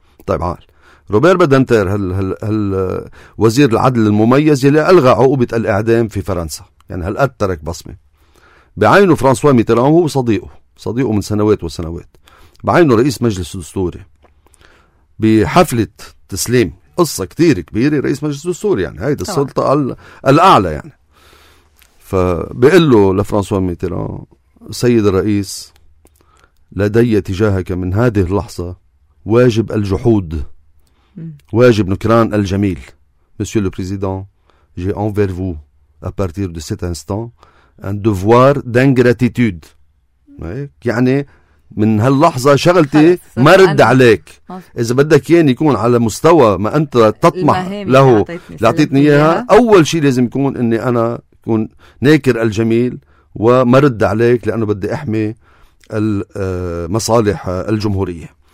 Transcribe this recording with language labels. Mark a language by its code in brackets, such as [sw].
[ar] طيب عال روبير بدنتير هل وزير العدل المميز اللي ألغى عقوبة الإعدام في فرنسا، يعني هل أترك بصمة بعينه فرانسوا ميتران هو صديقه من سنوات وسنوات، بعينه رئيس مجلس دستوري بحفلة تسليم، قصة كتير كبيرة، رئيس مجلس دستوري يعني هيدي السلطة الأعلى يعني. فبيقول له لفرانسوا ميتران سيد الرئيس لدي تجاهك من هذه اللحظة واجب الجحود، واجب نكران الجميل. [fr] Monsieur le Président, j'ai envers vous, à partir de cet instant, un devoir d'ingratitude. [ar] يعني من هاللحظة شغلتي ما رد عليك. إذا بدك يعني يكون على مستوى ما أنت تطمح له لعطيتني إياها، أول شيء لازم يكون أني أنا يكون ناكر الجميل وما رد عليك لأنه بدي أحمي المصالح الجمهورية.